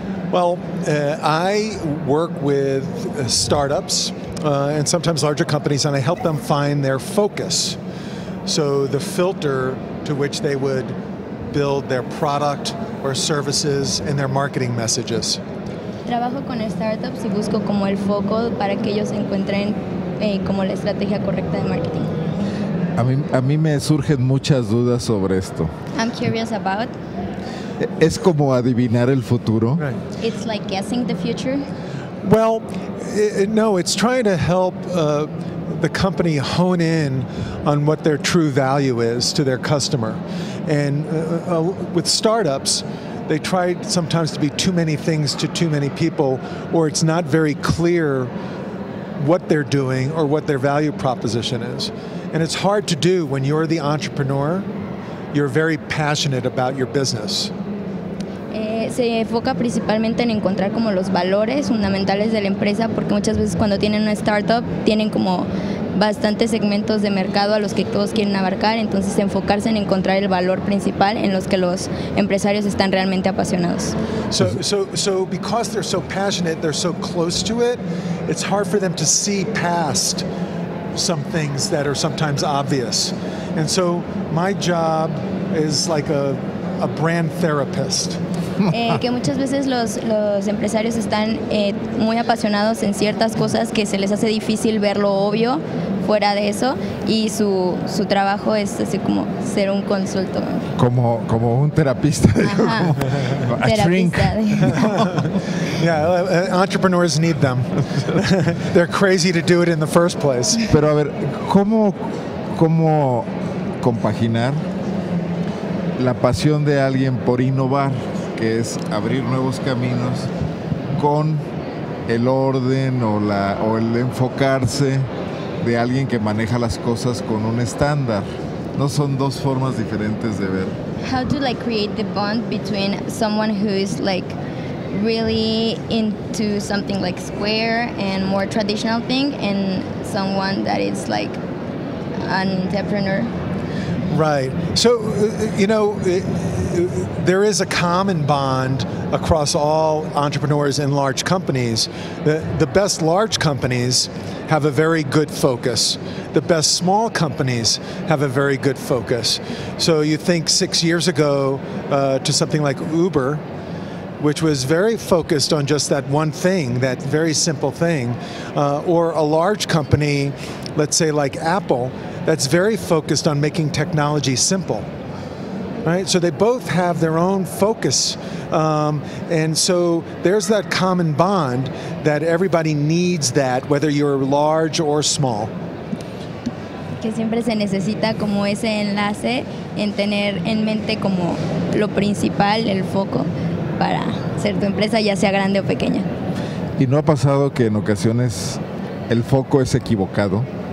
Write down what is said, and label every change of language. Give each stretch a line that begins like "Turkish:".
English: Well, I work with startups and sometimes larger companies, and I help them find their focus. So the filter to which they would build their product or services and their marketing messages.
Spanish: Trabajo con startups y busco como el foco para que ellos encuentren como la estrategia correcta de marketing. A mí me surgen muchas dudas sobre esto.
English: I'm curious about.
Spanish: ¿Es como adivinar el futuro?
English: Right. It's like guessing the future. Well, no, it's trying to help the company hone in on what their true value is to their customer. And with startups, they try sometimes to be too many things to too many people, or it's not very clear what they're doing or what their value proposition is. And it's hard to do when you're the entrepreneur, you're very passionate about your business.
Spanish: Se enfoca principalmente en encontrar como los valores fundamentales de la empresa, porque muchas veces cuando tienen una startup tienen como bastantes segmentos de mercado a los que todos quieren abarcar, entonces enfocarse en encontrar el valor principal en los que los empresarios están realmente apasionados.
English: So because they're so passionate, they're so close to it, it's hard for them to see past some things that are sometimes obvious. And so my job is like a brand therapist.
Spanish: Que muchas veces los empresarios están muy apasionados en ciertas cosas que se les hace difícil ver lo obvio fuera de eso, y su trabajo es así como ser un consultor. Como un terapista. Ajá.
English: A shrink. Yeah, entrepreneurs need them. They're crazy to do it in the first place.
Spanish: Pero a ver, ¿cómo compaginar la pasión de alguien por innovar, que es abrir nuevos caminos, con el orden o el enfocarse de alguien que maneja las cosas con un estándar? No son dos formas diferentes de ver.
English: How to like create the bond between someone who is like really into something like square and more traditional thing and someone that is like an entrepreneur? Right. So, you know, there is a common bond across all entrepreneurs in large companies. The best large companies have a very good focus. The best small companies have a very good focus. So you think 6 years ago to something like Uber, which was very focused on just that one thing, that very simple thing, or a large company, let's say like Apple, that's very focused on making technology simple, right? So they both have their own focus. And so there's that common bond that everybody needs that, whether you're large or small.
Spanish: Que siempre se necesita como ese enlace en tener en mente como lo principal, el foco para ser tu empresa, ya sea grande o pequeña. ¿Y no ha pasado que en ocasiones el foco es equivocado?